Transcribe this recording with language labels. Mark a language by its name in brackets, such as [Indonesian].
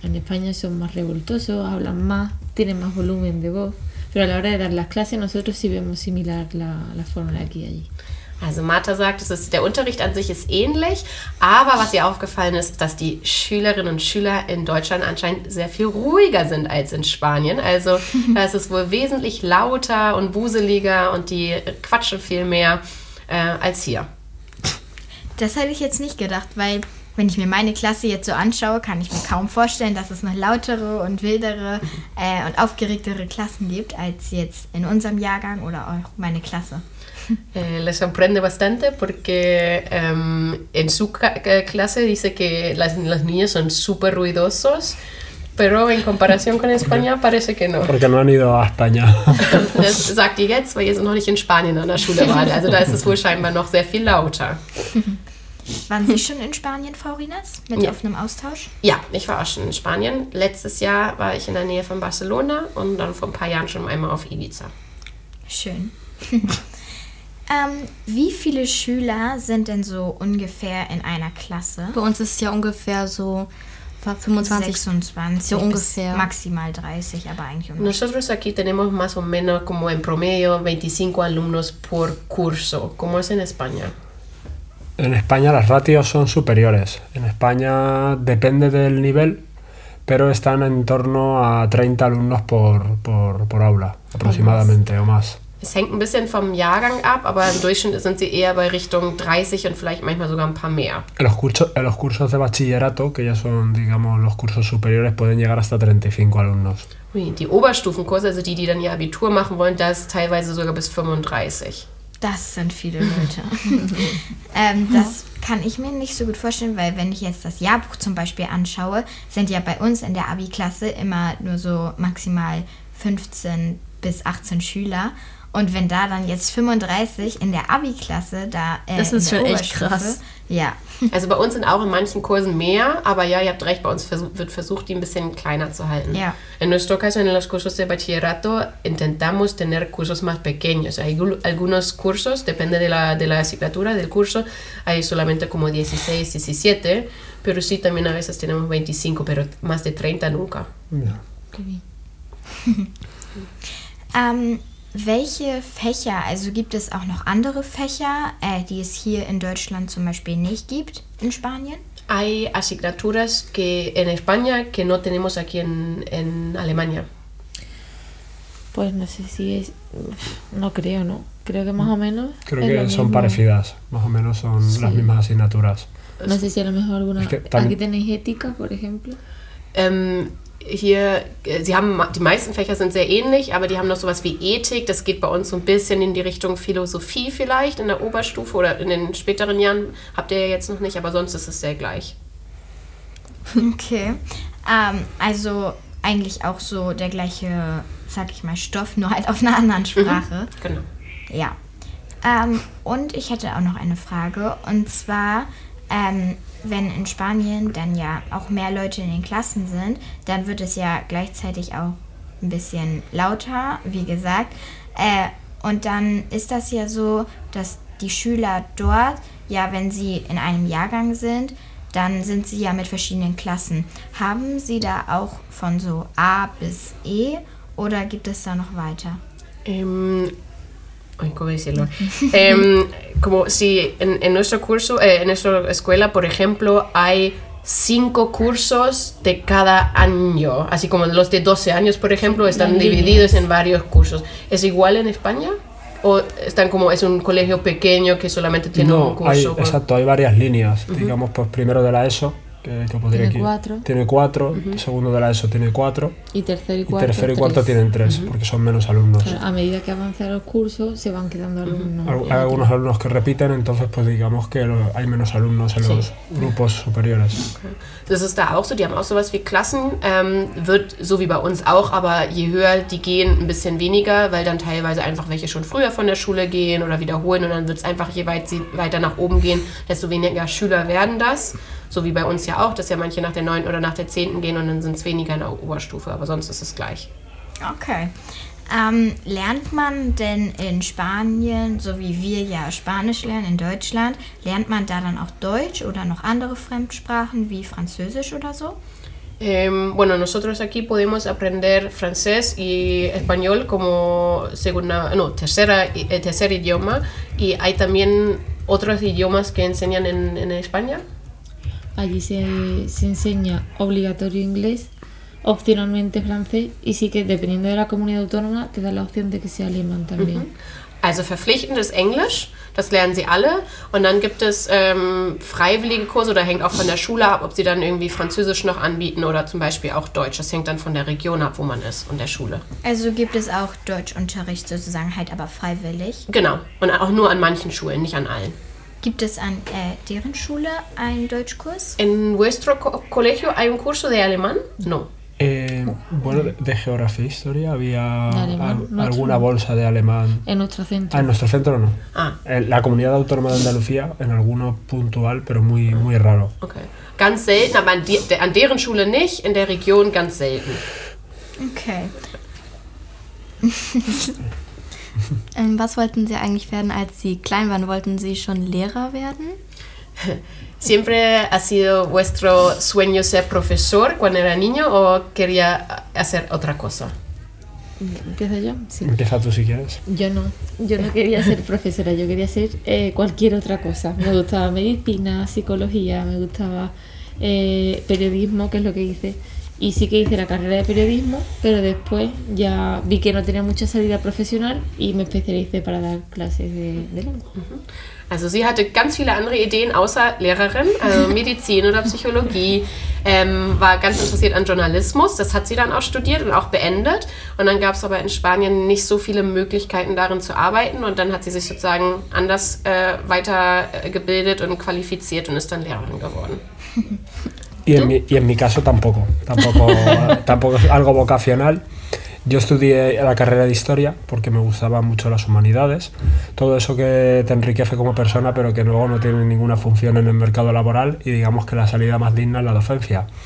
[Spanish] En España son más revoltosos, hablan más, tienen más volumen de voz, pero a la hora de dar las clases nosotros sí vemos similar la fórmula aquí y allí. [German] Also Marta sagt, der Unterricht an sich ist ähnlich, aber was ihr aufgefallen ist, dass die Schülerinnen und Schüler in Deutschland anscheinend sehr viel ruhiger sind als in Spanien. Also da ist es wohl wesentlich lauter und wuseliger und die quatschen viel mehr als hier. Das hätte ich jetzt nicht gedacht, weil wenn ich mir meine Klasse jetzt so anschaue, kann ich mir kaum vorstellen, dass es noch lautere und wildere und aufgeregtere Klassen gibt als jetzt in unserem Jahrgang oder auch meine Klasse. [Spanish] Le sorprende bastante porque en su clase dice que las niñas son súper ruidosos, pero en comparación con España parece que no. Porque no han ido a España. [German] Das sagt ihr jetzt, weil ihr noch nicht in Spanien an der Schule wart. Also da ist es wohl scheinbar noch sehr viel lauter. Waren Sie schon in Spanien, Frau Rinas, mit auf einem Austausch? Ja, ich war auch schon in Spanien. Letztes Jahr war ich in der Nähe von Barcelona und dann vor ein paar Jahren schon einmal auf Ibiza. Schön. Wie viele Schüler sind denn so ungefähr in einer Klasse? Bei uns ist es ja ungefähr so 25, 26, so ungefähr. Maximal 30, aber eigentlich ungefähr. [Spanish] Nosotros aquí tenemos más o menos como en promedio 25 alumnos por curso. ¿Cómo es en España? En España las ratios son superiores. En España depende del nivel, pero están en torno a 30 alumnos por aula, aproximadamente, o más. [German] Es hängt ein bisschen vom Jahrgang ab, aber im Durchschnitt sind sie eher bei Richtung 30 und vielleicht manchmal sogar ein paar mehr. [Spanish] En los cursos de bachillerato, que ya son, digamos, los cursos superiores, pueden llegar hasta 35 alumnos. [German] Ui, die Oberstufenkurse, also die, die dann ihr Abitur machen wollen, das ist teilweise sogar bis 35. Das sind viele Leute. das kann ich mir nicht so gut vorstellen, weil wenn ich jetzt das Jahrbuch zum Beispiel anschaue, sind ja bei uns in der Abi-Klasse immer nur so maximal 15 bis 18 Schüler. Und wenn da dann jetzt 35 in der Abi-Klasse da das ist schon echt krass. Ja. Also bei uns sind auch in manchen Kursen mehr, aber ja, ihr habt recht, bei uns wird versucht, die ein bisschen kleiner zu halten. Ja. [Spanish] En nuestro caso, en los cursos de bachillerato, intentamos tener cursos más pequeños. Hay algunos cursos, depende de la asignatura, del curso, hay solamente como 16, 17, pero sí, también a veces tenemos 25, pero más de 30 nunca. [German] Ja. Welche Fächer, also gibt es auch noch andere Fächer, die es hier in Deutschland zum Beispiel nicht gibt, in Spanien? [Spanish] Hay asignaturas que en España que no tenemos aquí en Alemania. Pues no sé si es, no creo, ¿no? Creo que más o menos. Creo que son parecidas, más o menos son las mismas asignaturas. No sé si a lo mejor alguna, aquí tenéis ética, por ejemplo. [German] Hier, die meisten Fächer sind sehr ähnlich, aber die haben noch sowas wie Ethik. Das geht bei uns so ein bisschen in die Richtung Philosophie vielleicht in der Oberstufe oder in den späteren Jahren habt ihr ja jetzt noch nicht, aber sonst ist es sehr gleich. Okay, also eigentlich auch so der gleiche, sag ich mal, Stoff, nur halt auf einer anderen Sprache. Mhm, genau. Ja, und ich hätte auch noch eine Frage, und zwar... wenn in Spanien dann ja auch mehr Leute in den Klassen sind, dann wird es ja gleichzeitig auch ein bisschen lauter, wie gesagt. Und dann ist das ja so, dass die Schüler dort, ja, wenn sie in einem Jahrgang sind, dann sind sie ja mit verschiedenen Klassen. Haben sie da auch von so A bis E oder gibt es da noch weiter? [Spanish] ¿Cómo decirlo? Como si en nuestro curso, en nuestra escuela, por ejemplo, hay 5 cursos de cada año. Así como los de 12 años, por ejemplo, están divididos en varios cursos. ¿Es igual en España? ¿O están como, es un colegio pequeño que solamente tiene un curso? Exacto, hay varias líneas. Uh-huh. Digamos, pues primero de la ESO, que podría tiene 4. Tiene 4. Uh-huh. Segundo de la ESO tiene 4. Y tercero y cuarto. Y tercero y cuarto 3. Tienen 3, uh-huh, porque son menos alumnos. Claro, a medida que avanzan los cursos, se van quedando alumnos. Uh-huh. Hay algunos alumnos que repiten, entonces, pues digamos que hay menos alumnos en los grupos superiores. [German] Okay. Das ist da auch so, die haben auch sowas wie Klassen. Wird so wie bei uns auch, aber je höher die gehen, ein bisschen weniger, weil dann teilweise einfach welche schon früher von der Schule gehen oder wiederholen und dann wird es einfach, je weiter nach oben gehen, desto weniger Schüler werden das. So wie bei uns ja auch, dass ja manche nach der 9. oder nach der 10. gehen und dann sind es weniger in der Oberstufe, aber sonst ist es gleich. Okay. Lernt man denn in Spanien, so wie wir ja Spanisch lernen in Deutschland, lernt man da dann auch Deutsch oder noch andere Fremdsprachen wie Französisch oder so? [Spanish] Bueno, nosotros aquí podemos aprender francés y español como segunda, no, tercera, tercer idioma. Y hay también otros idiomas que enseñan en España. Allí se enseña obligatorio inglés, opcionalmente francés y sí que dependiendo de la comunidad autónoma te da la opción de que sea alemán también. Uh-huh. [German] Also verpflichtend ist Englisch, das lernen sie alle und dann gibt es freiwillige Kurse oder hängt auch von der Schule ab, ob sie dann irgendwie Französisch noch anbieten oder zum Beispiel auch Deutsch. Das hängt dann von der Region ab, wo man ist und der Schule. Also gibt es auch Deutschunterricht sozusagen halt aber freiwillig? Genau und auch nur an manchen Schulen, nicht an allen. ¿Gibt es an deren Schule einen Deutschkurs? [Spanish] ¿En vuestro colegio hay un curso de alemán? No. Bueno, de geografía e historia había alguna bolsa de alemán. En nuestro centro. Ah, en nuestro centro no. Ah. En la comunidad autónoma de Andalucía, en alguno puntual, pero muy, muy raro. [German] Okay. Ganz selten, aber an deren Schule nicht, in der Region ganz selten. Okay. Was wollten Sie eigentlich werden, als Sie klein waren? Wollten Sie schon Lehrer werden? [Spanish] ¿Siempre ha sido vuestro sueño ser profesor cuando era niño o quería hacer otra cosa? ¿Empiezo yo? Sí. Empieza tú si quieres. Yo no quería ser profesora, yo quería ser cualquier otra cosa. Me gustaba medicina, psicología, me gustaba periodismo, que es lo que hice. Y sí que hice la carrera de periodismo, pero después ya vi que no tenía mucha salida profesional y me especialicé para dar clases de lengua. [German] Also sie hatte ganz viele andere Ideen außer Lehrerin, also Medizin oder Psychologie, war ganz interessiert an Journalismus, das hat sie dann auch studiert und auch beendet und dann gab es aber in Spanien nicht so viele Möglichkeiten darin zu arbeiten und dann hat sie sich sozusagen anders weitergebildet und qualifiziert und ist dann Lehrerin geworden. [Spanish] Y en mi caso tampoco algo vocacional. Yo estudié la carrera de historia porque me gustaban mucho las humanidades, todo eso que te enriquece como persona pero que luego no tiene ninguna función en el mercado laboral y digamos que la salida más digna es la docencia.